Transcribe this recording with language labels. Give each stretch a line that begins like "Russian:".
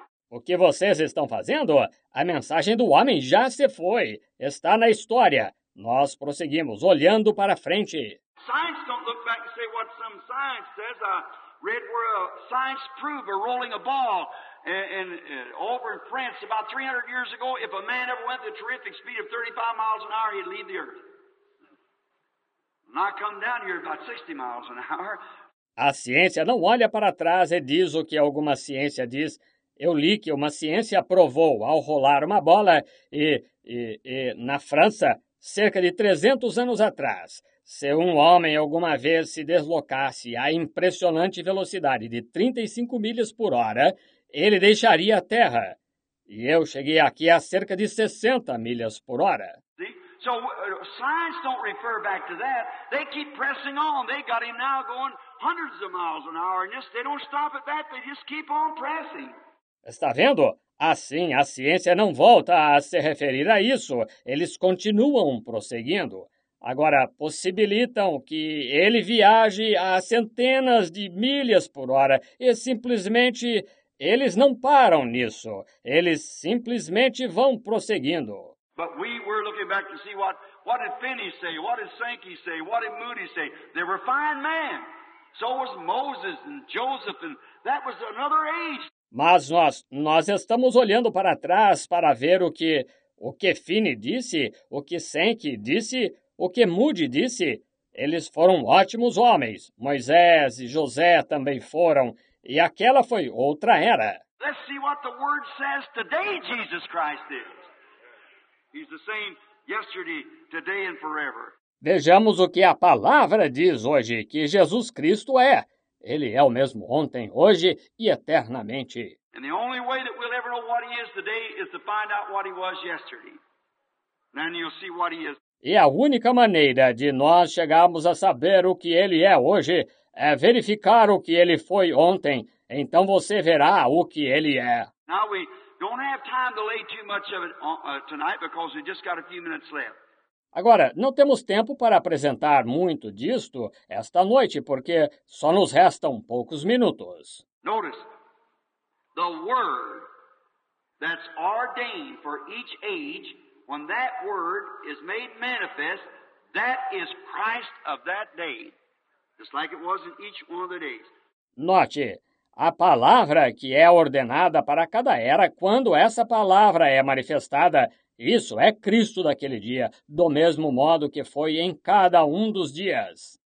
Portuguese: O que vocês estão fazendo? A mensagem do homem já se foi, está na história. Nós prosseguimos, olhando para frente.
English: Science don't look back and say what some science says. Read where a science prove a rolling a ball over in France about 300 years ago, if a man ever went the terrific speed of 35 miles an hour, he'd leave the earth. Not come down here about 60 miles an hour.
Portuguese: A ciência não olha para trás e diz o que alguma ciência diz. Eu li que uma ciência provou ao rolar uma bola e na França, cerca de 300 anos atrás, se um homem alguma vez se deslocasse à impressionante velocidade de 35 milhas por hora, ele deixaria a Terra. E eu cheguei aqui a cerca de 60 milhas por hora.
English: So, science don't refer back to that. They keep pressing on. They got him now going hundreds of miles an hour. And just, they don't stop at that. They just keep on pressing.
Portuguese: Está vendo? Assim, a ciência não volta a se referir a isso. Eles continuam prosseguindo. Agora, possibilitam que ele viaje a centenas de milhas por hora e simplesmente eles não param nisso. Eles simplesmente vão prosseguindo.
English: But we were looking back to see what did Finney say, what did Sankey say, what did Moody say. They were fine men. So was Moses and Joseph, and that was another age.
Portuguese: Mas nós estamos olhando para trás para ver o que Finney disse, o que Sankey disse, o que Moody disse. Eles foram ótimos homens. Moisés e José também foram. E aquela foi outra era.
English: Let's see what the word says today Jesus Christ is. He's the same yesterday, today and forever.
Portuguese: Vejamos o que a palavra diz hoje, que Jesus Cristo é. Ele é o mesmo ontem, hoje e eternamente.
English: And the only way that we'll ever know what he is today is to find out what he was yesterday. Then you'll see what he is.
Portuguese: E a única maneira de nós chegarmos a saber o que ele é hoje é verificar o que ele foi ontem. Então você verá o que ele é.
English: Now we don't have time to lay too much of it tonight because we just got a few minutes left.
Portuguese: Agora, não temos tempo para apresentar muito disto esta noite, porque só nos restam poucos minutos.
English: Notice, the word that's ordained for each age, when that word is made manifest, that is Christ of that day. Just like it was in each one of the days.
Portuguese: Note, a palavra que é ordenada para cada era quando essa palavra é manifestada. Isso é Cristo daquele dia, do mesmo modo que foi em cada um dos dias.